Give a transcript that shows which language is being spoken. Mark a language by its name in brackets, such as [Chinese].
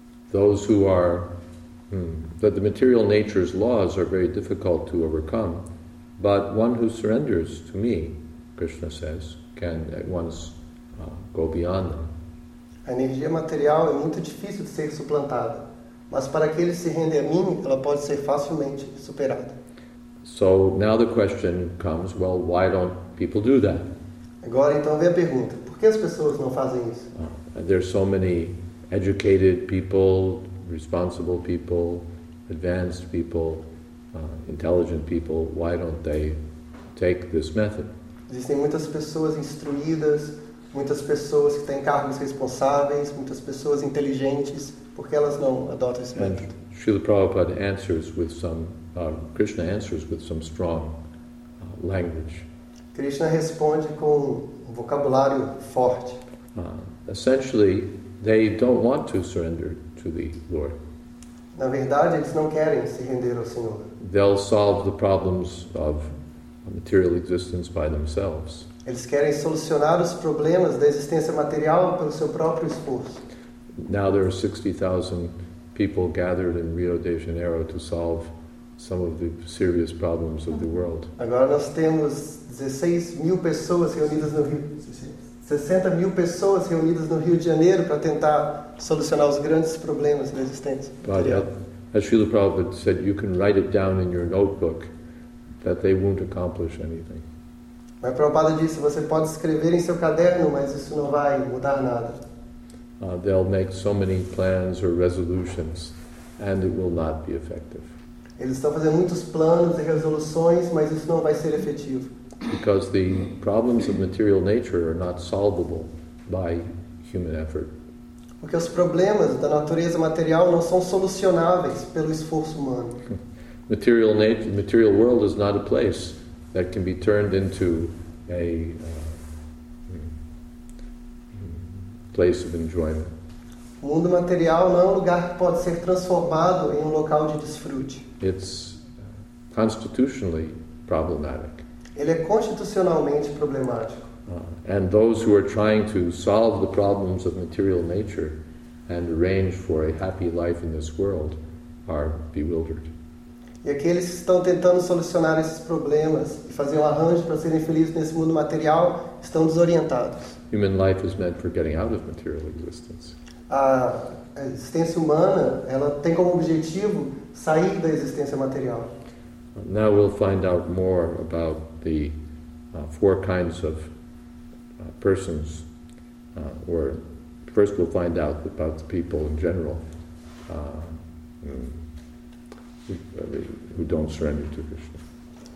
[English] Those who are, that the material nature's laws are very difficult to overcome. But one who surrenders to me, Krishna says, can at once go beyond them. [Portuguese] A energia material é muito difícil de ser suplantada, mas para aquele que se rende a mim, ela pode ser facilmente superada. [English] So now the question comes, well, why don't people do that? [Portuguese] Agora então vem a pergunta, por que as pessoas não fazem isso? [English] There are so many educated people, responsible people, advanced people, intelligent people, why don't they take this method? [Portuguese] Existem muitas pessoas instruídas, muitas pessoas que têm cargos responsáveis, muitas pessoas inteligentes, por que elas não adotam esse [English] and [Portuguese] método? [English] Srila Prabhupada answers with some, Krishna answers with some strong language. [Portuguese] Krishna responde com um vocabulário forte. [English] Essentially, they don't want to surrender to the Lord. [Portuguese] Na verdade, eles não querem se render ao Senhor. [English] They'll solve the problems of material existence by themselves. [Portuguese] Eles querem solucionar os problemas da existência material pelo seu próprio esforço. [English] Now there are 60,000 people gathered in Rio de Janeiro to solve some of the serious problems of the world. [Portuguese] Agora nós temos 16 mil pessoas reunidas no Rio. 60 mil pessoas reunidas no Rio de Janeiro para tentar solucionar os grandes problemas da existência material. [English] As Srila Prabhupada said, you can write it down in your notebook that they won't accomplish anything. [Portuguese] Mas Prabhupada disse, você pode escrever em seu caderno, mas isso não vai mudar nada. [English] They'll make so many plans or resolutions and it will not be effective. [Portuguese] Eles estão fazendo muitos planos e resoluções, mas isso não vai ser efetivo. [English] Because the problems of material nature are not solvable by human effort. [Portuguese] Porque os problemas da natureza material não são solucionáveis pelo esforço humano. [English] Material world is not a place that can be turned into a place of enjoyment. [Portuguese] O mundo material não é um lugar que pode ser transformado em um local de desfrute. [English] It's constitutionally problematic. [Portuguese] Ele é constitucionalmente problemático. [English] And those who are trying to solve the problems of material nature and arrange for a happy life in this world are bewildered. [Portuguese] E aqueles que estão tentando solucionar esses problemas e fazer um arranjo para serem felizes nesse mundo material estão desorientados. [English] Human life is meant for getting out of material existence. [Portuguese] A existência humana, ela tem como objetivo sair da existência material. [English] Now we'll find out more about the four kinds of persons, or first we'll find out about the people in general who don't surrender to Krishna.